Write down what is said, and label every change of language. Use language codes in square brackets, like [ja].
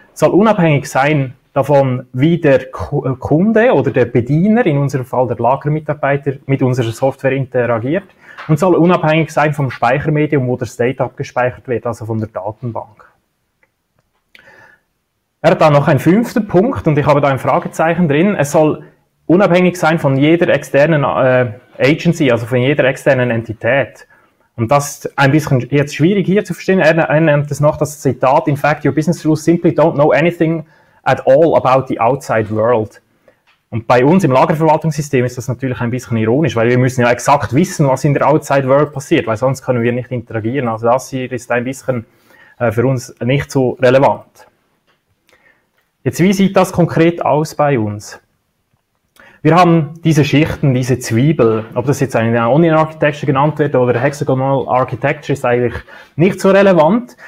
[de] Soll unabhängig sein davon, wie der Kunde oder der Bediener, in unserem Fall der Lagermitarbeiter, mit unserer Software interagiert und soll unabhängig sein vom Speichermedium, wo das Data abgespeichert wird, also von der Datenbank. Er hat da noch einen fünften Punkt und ich habe da ein Fragezeichen drin. Es soll unabhängig sein von jeder externen Agency, also von jeder externen Entität. Und das ist ein bisschen jetzt schwierig hier zu verstehen. Er nennt es noch das Zitat, [en] in fact, your business rules simply don't know anything at all about the outside world. [de] Und bei uns im Lagerverwaltungssystem ist das natürlich ein bisschen ironisch, weil wir müssen ja exakt wissen, was in der outside world passiert, weil sonst können wir nicht interagieren. Also das hier ist ein bisschen für uns nicht so relevant. Jetzt, wie sieht das konkret aus bei uns? Wir haben diese Schichten, diese Zwiebel, ob das jetzt eine Onion Architecture genannt wird oder Hexagonal Architecture, ist eigentlich nicht so relevant.